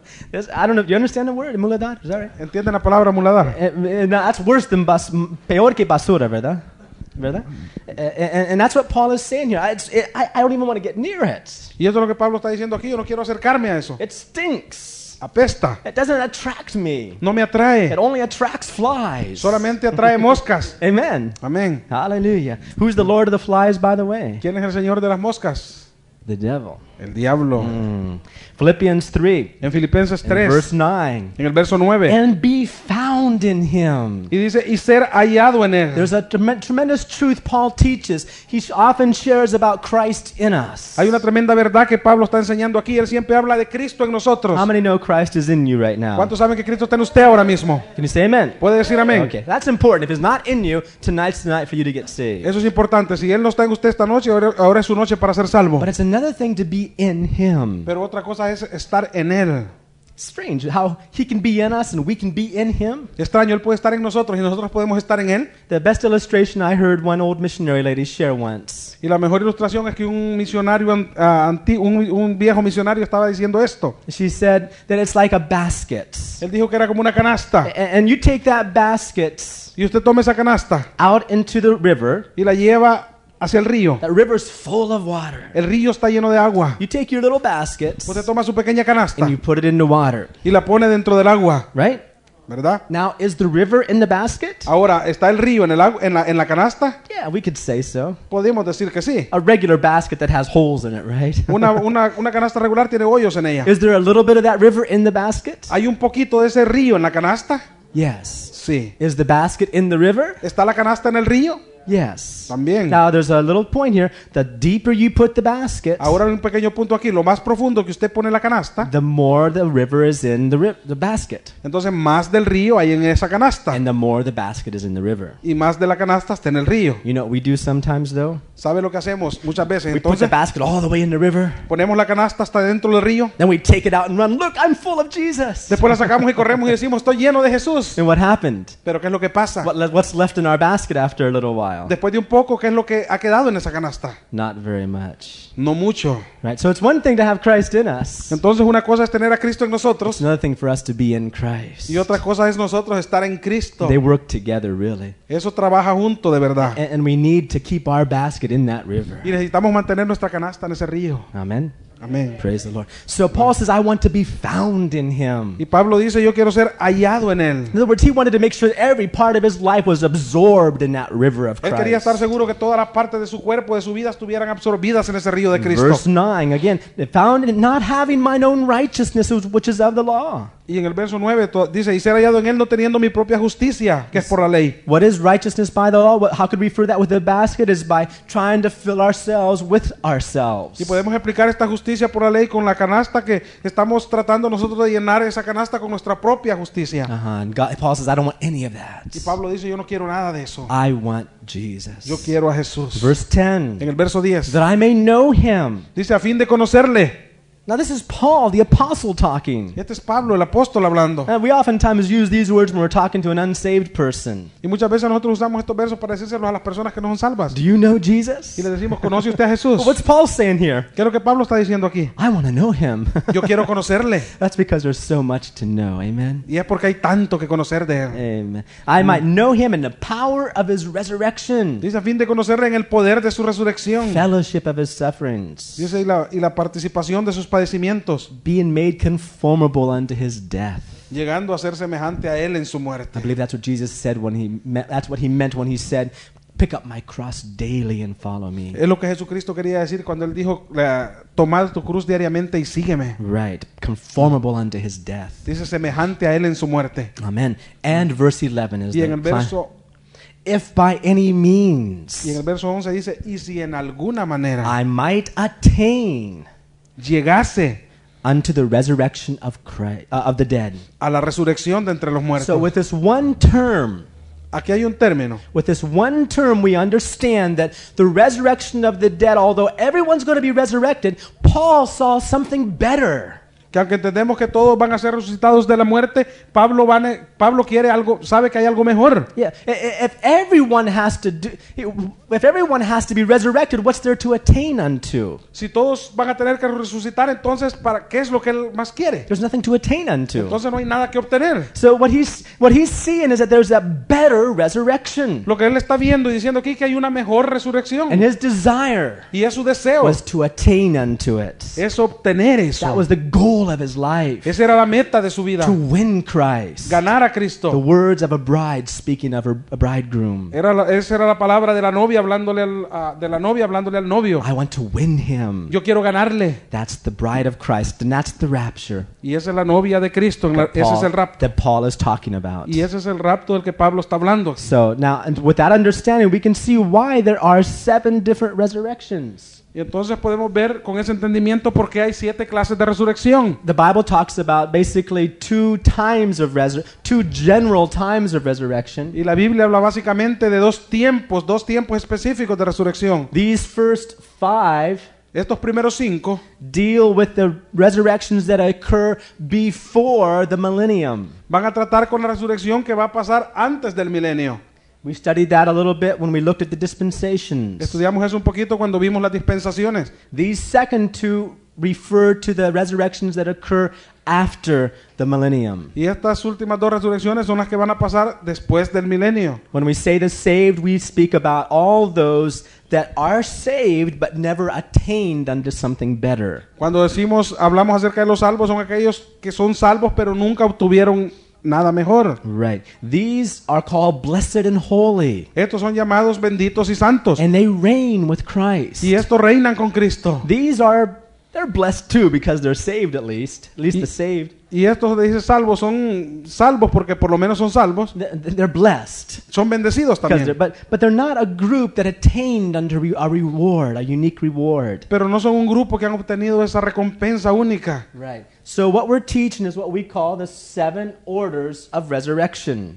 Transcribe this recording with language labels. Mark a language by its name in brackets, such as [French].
[English] That's, I don't know. Do you understand the word muladar? Is that right? [Spanish] ¿Entienden la palabra muladar? [English] No, that's worse than [Spanish] peor que basura, ¿verdad? [English] And that's what Paul is saying here. I don't even want to get near it. [Spanish] Y eso es lo que Pablo está diciendo aquí. Yo no quiero acercarme a eso. [English] It stinks. [Spanish] Apesta. [English] It doesn't attract me. [Spanish] No me atrae. [English] It only attracts flies. [Spanish] Solamente atrae moscas. [English] Amen. Amen. Hallelujah. Who's the Lord of the flies, by the way? [Spanish] ¿Quién es el Señor de las moscas? [English] The devil. [Spanish] El diablo. [English] Philippians 3. [Spanish] En Filipenses 3. [English] In verse 9. [Spanish] En el verso 9. [English] And be found in him. [Spanish] Y dice, y ser hallado en él. [English] There's a tremendous truth Paul teaches. He often shares about Christ in us. [Spanish] Hay una tremenda verdad que Pablo está enseñando aquí. Él siempre habla de Cristo en nosotros. [English] How many know Christ is in you right now? [Spanish] ¿Cuántos saben que Cristo está en usted ahora mismo? [English] Can you say amen? [Spanish] ¿Puede decir amén? [English] Okay, that's important. If he's not in you, tonight's the night for you to get saved. [Spanish] Eso es importante. Si él no está en usted esta noche, ahora es su noche para ser salvo. [English] But it's another thing to be in him. [Spanish] Pero otra cosa es estar en él. [English] Strange how he can be in us and we can be in him. [Spanish] Extraño, él puede estar en nosotros y nosotros podemos estar en él. [English] The best illustration I heard one old missionary lady share once. [Spanish] Y la mejor ilustración es que un misionario un viejo misionario estaba diciendo esto. [English] She said that it's like a basket. [Spanish] Él dijo que era como una canasta. [English] And you take that basket. [Spanish] Y usted toma esa canasta. [English] Out into the river. [Spanish] Y la lleva hacia el río. [English] That river is full of water. [Spanish] El río está lleno de agua. [English] You take your little basket. [Spanish] Usted toma su pequeña canasta. [English] And you put it in the water. [Spanish] Y la pone dentro del agua. [English] Right? [Spanish] ¿Verdad? [English] Now is the river in the basket? [Spanish] Ahora está el río en el agua en la canasta? [English] Yeah, we could say so. [Spanish] Podemos decir que sí. [English] A regular basket that has holes in it, right? [Spanish] una canasta regular tiene hoyos en ella. [English] Is there a little bit of that river in the basket? [Spanish] ¿Hay un poquito de ese río en la canasta? [English] Yes. [Spanish] Sí. [English] Is the basket in the river? [Spanish] ¿Está la canasta en el río? [English] Yes. [Spanish] También. [English] Now there's a little point here. The deeper you put the basket. [Spanish] Ahora hay un pequeño punto aquí. Lo más profundo que usted pone la canasta. [English] The more the river is in the basket. [Spanish] Entonces más del río hay en esa canasta. [English] And the more the basket is in the river. [Spanish] Y más de la canasta está en el río. [English] You know what we do sometimes though? [Spanish] ¿Sabe lo que hacemos muchas veces? [English] We put the basket all the way in the river. [Spanish] Ponemos la canasta hasta dentro del río. [English] Then we take it out and run. Look, I'm full of Jesus. [Spanish] Después la sacamos y corremos y decimos, estoy lleno de Jesús. [English] And what happened? [Spanish] Pero qué es lo que pasa? [English] What's left in our basket after a little while? [Spanish] Después de un poco, ¿qué es lo que ha quedado en esa canasta? [English] Not very much. [Spanish] No mucho. [English] Right. So it's one thing to have Christ in us. [Spanish] Entonces una cosa es tener a Cristo en nosotros. [English] It's another thing for us to be in Christ. [Spanish] Y otra cosa es nosotros estar en Cristo. [English] They work together, really. [Spanish] Eso trabaja junto, de verdad. [English] And we need to keep our basket in that river. [Spanish] Y necesitamos mantener nuestra canasta en ese río. [English] Amen. [Spanish] Amen. [English] Praise the Lord. So Paul says, I want to be found in him. [Spanish] Y Pablo dice, yo quiero ser hallado en él. [English] In other words, he wanted to make sure that every part of his life was absorbed in that river of Christ. [Spanish] Él quería estar seguro que todas las partes de su cuerpo, de su vida, estuvieran absorbidas en ese río de Cristo. [English] Verse 9, again, found in not having mine own righteousness, which is of the law. [Spanish] Y en el verso 9 dice, y ser hallado en él no teniendo mi propia justicia, que es por la ley. [English] What is righteousness by the law? How could we refer that with the basket? Is by trying to fill ourselves with ourselves. [Spanish] Y podemos explicar esta justicia por la ley con la canasta que estamos tratando nosotros de llenar esa canasta con nuestra propia justicia. [English] And God, Paul says, I don't want any of that. [Spanish] Y Pablo dice, yo no quiero nada de eso. [English] I want Jesus. [Spanish] Yo quiero a Jesús. [English] Verse 10. [Spanish] En el verso 10. [English] That I may know him. [Spanish] Dice, a fin de conocerle. [English] Now this is Paul, the apostle, talking. [Spanish] Este es Pablo, el apóstol, hablando. [English] And we oftentimes use these words when we're talking to an unsaved person. [Spanish] Y muchas veces nosotros usamos estos versos para decírselos a las personas que no son salvas. [English] Do you know Jesus? [Spanish] Y le decimos, ¿conoce usted a Jesús? [English] What's Paul saying here? [Spanish] ¿Qué es lo que Pablo está diciendo aquí? [English] I want to know him. [Spanish] Yo quiero conocerle. [English] That's because there's so much to know, amen? [Spanish] Y es porque hay tanto que conocer de él. Amen. [English] I might know him in the power of his resurrection. [Spanish] Dice, a fin de conocerle en el poder de su resurrección. [English] Fellowship of his sufferings. [Spanish] Dice, y la participación de sus padecimientos. [English] Being made conformable unto his death. [Spanish] Llegando a ser semejante a él en su muerte. [English] I believe that's what Jesus said when that's what he meant when he said, pick up my cross daily and follow me. [Spanish] Es lo que Jesucristo quería decir cuando él dijo, tomad tu cruz diariamente y sígueme. [English] Right, conformable unto his death. [Spanish] Dice, semejante a él en su muerte. [English] Amen. And verse 11 is [Spanish] y en el verso [English] if by any means. [Spanish] Y en el verso 11 dice, y si en alguna manera [English] I might attain [Spanish] llegase [English] unto the resurrection of Christ of the dead. [Spanish] A la resurrección de entre los muertos. [English] So with this one term, [Spanish] aquí hay un término. [English] With this one term, we understand that the resurrection of the dead, although everyone's going to be resurrected, Paul saw something better. [Spanish] Que aunque entendemos que todos van a ser resucitados de la muerte, Pablo quiere algo, sabe que hay algo mejor. [English] Yeah. If everyone has to be resurrected, what's there to attain unto? [Spanish] Si todos van a tener que resucitar, entonces ¿para qué es lo que él más quiere? [English] There's nothing to attain unto. [Spanish] Entonces no hay nada que obtener. [English] So what he's seeing is that there's a better resurrection. [Spanish] Lo que él está viendo y diciendo aquí es que hay una mejor resurrección. [English] And his desire [Spanish] y es su deseo [English] was to attain unto it. [Spanish] Es obtener eso. [English] That was the goal of his life. [Spanish] Esa era la meta de su vida. [English] To win Christ. [Spanish] Ganar a Cristo. [English] The words of a bride speaking of a bridegroom. [Spanish] Esa era la palabra de la novia. Hablándole al novio. [English] I want to win him. [Spanish] Yo quiero ganarle. [English] That's the bride of Christ, and that's the rapture. [Spanish] Y esa es la novia de Cristo. Ese es el rapto. [English] That Paul is talking about. [Spanish] Y ese es el rapto del que Pablo está hablando. [English] So now, and with that understanding, we can see why there are 7 different resurrections. [Spanish] Y entonces podemos ver con ese entendimiento por qué hay 7 clases de resurrección. [English] The Bible talks about basically 2 general times of resurrection. [Spanish] Y la Biblia habla básicamente de 2 tiempos específicos de resurrección. [English] These first 5 [Spanish] estos primeros 5 [English] deal with the resurrections that occur before the millennium. [Spanish] Van a tratar con la resurrección que va a pasar antes del milenio. [English] We studied that a little bit when we looked at the dispensations. [Spanish] Estudiamos eso un poquito cuando vimos las dispensaciones. [English] These second 2 refer to the resurrections that occur after the millennium. [Spanish] Y estas últimas 2 resurrecciones son las que van a pasar después del milenio. [English] When we say the saved, we speak about all those that are saved but never attained unto something better. [Spanish] Cuando decimos, hablamos acerca de los salvos, son aquellos que son salvos pero nunca obtuvieron nada mejor. [English] Right. These are called blessed and holy. [Spanish] Estos son llamados benditos y santos. [English] And they reign with Christ. [Spanish] Y estos reinan con Cristo. [English] They're blessed too because they're saved at least. At least the saved. [Spanish] Y estos dice salvos son salvos porque por lo menos son salvos. [English] They're blessed. [Spanish] Son bendecidos también. [English] But they're not a group that attained under a reward, a unique reward. [Spanish] Pero no son un grupo que han obtenido esa recompensa única. [English] Right. So what we're teaching is what we call the seven orders of resurrection.